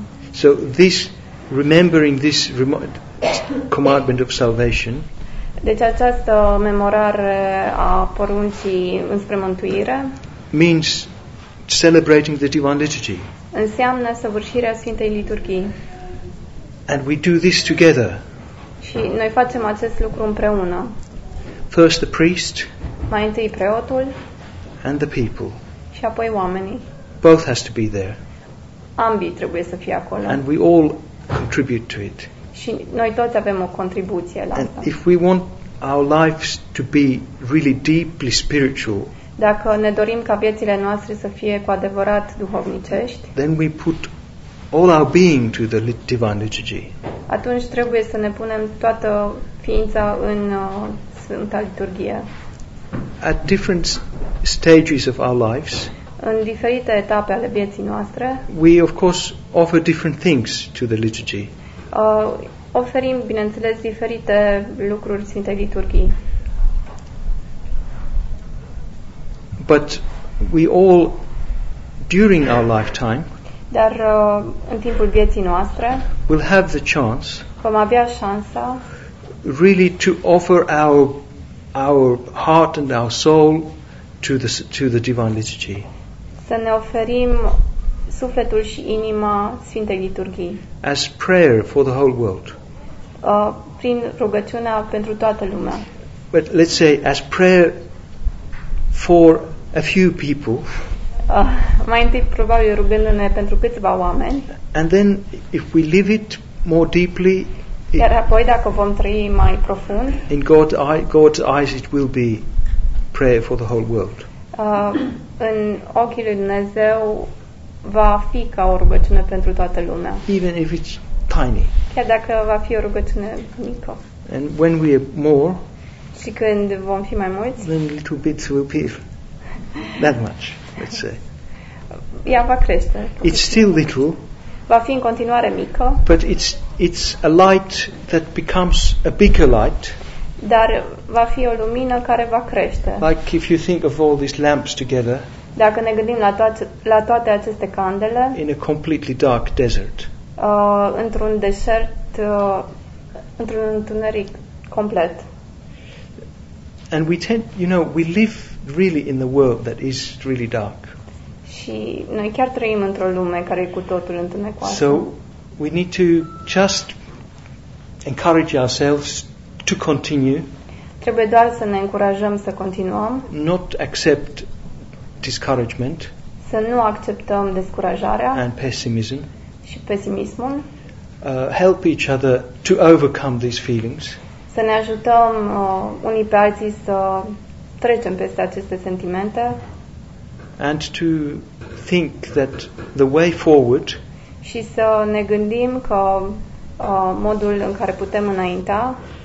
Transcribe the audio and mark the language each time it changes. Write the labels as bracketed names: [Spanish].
[English] So this, remembering this commandment of salvation. [Romanian] Deci această memorare a poruncii înspre mântuire [English] means celebrating the divine liturgy. [Romanian] Înseamnă săvârșirea Sfintei Liturghii. [English] And we do this together. [Romanian] Și noi facem acest lucru împreună. [English] First the priest. [Romanian] Mai întâi preotul. [English] And the people. [Romanian] Și apoi oamenii. [English] Both has to be there. [Romanian] Ambii trebuie să fie acolo. [English] And we all contribute to it. [Romanian] Și noi toți avem o contribuție la asta. [English] And if we want our lives to be really deeply spiritual, [Romanian] dacă ne dorim ca viețile noastre să fie cu adevărat duhovnicești, [English] then we put all our being to the divine liturgy. [Romanian] Atunci trebuie să ne punem toată ființa în Sfânta Liturghie. [English] At different stages of our lives, [Romanian] în diferite etape ale vieții noastre, [English] we of course offer different things to the liturgy. [Romanian] oferim, bineînțeles, diferite lucruri Sfintei Liturghii. [English] But we all, during our lifetime, [Romanian] dar în timpul vieții noastre, [English] we'll have the chance, [Romanian] vom avea șansa, [English] really to offer our heart and our soul to the Divine Liturgy. [Romanian] Să ne oferim sufletul și inima Sfintei Liturghii. [English] As prayer for the whole world. [Romanian] Prin rugăciunea pentru toată lumea. [English] But let's say as prayer for a few people. [Romanian] Mai întâi probabil rugându-ne pentru câțiva oameni. [English] And then if we live it more deeply. [Romanian] Iar apoi dacă vom trăi mai profund. [English] In God's eyes it will be prayer for the whole world. [Romanian] În ochii lui Dumnezeu va fi ca o rugăciune pentru toată lumea. [English] Even if it's tiny. [Romanian] Chiar dacă va fi o rugăciune mică. [English] And when we are more. [Romanian] Și când vom fi mai mulți. [English] Then little bits will be that much, let's say. [Romanian] Ea va crește. [English] It's still little. [Romanian] Va fi în continuare mică. [English] But it's a light that becomes a bigger light. [Romanian] Dar va fi o lumină care va crește. [English] Like if you think of all these lamps together. [Romanian] Dacă ne gândim la toate aceste candele. [English] In a completely dark desert. [Romanian] Într-un deșert, într-un întuneric complet. [English] And we tend, you know, we live really in the world that is really dark. [Romanian] Și noi chiar trăim într-o lume care e cu totul întunecoasă. [English] So we need to just encourage ourselves to continue. [Romanian] Trebuie doar să ne încurajăm să continuăm. [English] Not accept discouragement. [Romanian] Să nu acceptăm descurajarea. [English] And pessimism. [Romanian] Și pesimismul. [English] Help each other to overcome these feelings. [Romanian] Să ne ajutăm unii pe alții să trecem peste aceste sentimente. [English] And to think that the way forward. [Romanian] Și să ne gândim că modul în care putem înainta.